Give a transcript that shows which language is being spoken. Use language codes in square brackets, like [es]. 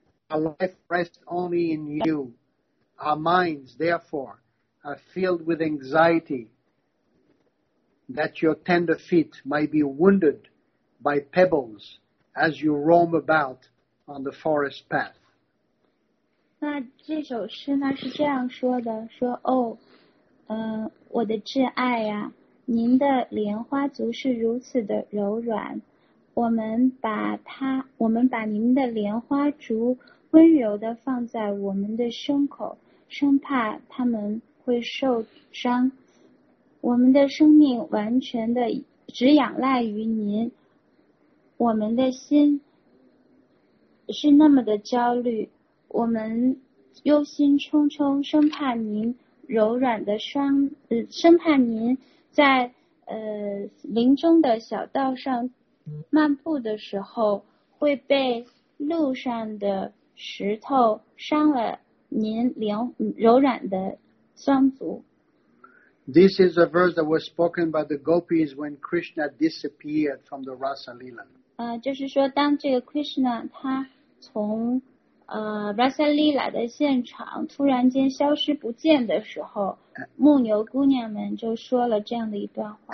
[en] Our life rests only in you. Our minds, therefore, are filled with anxiety that your tender feet might be wounded by pebbles. As you roam about on the forest path. [zh] 那这首诗呢是这样说的，说哦，我的挚爱呀，您的莲花足是如此的柔软，我们把您的莲花足温柔地放在我们的胸口，生怕他们会受伤。我们的生命完全的只仰赖于您。我们的心是那么的焦虑，我们忧心忡忡，生怕您柔软的伤，生怕您在林中的小道上漫步的时候会被路上的石头伤了您柔软的双足。 [en] This is a verse that was spoken by the gopis when Krishna disappeared from the Rasa Lila. [zh] 就是说当这个 Krishna 他从Rasalila 的现场突然间消失不见的时候，牧牛姑娘们就说了这样的一段话。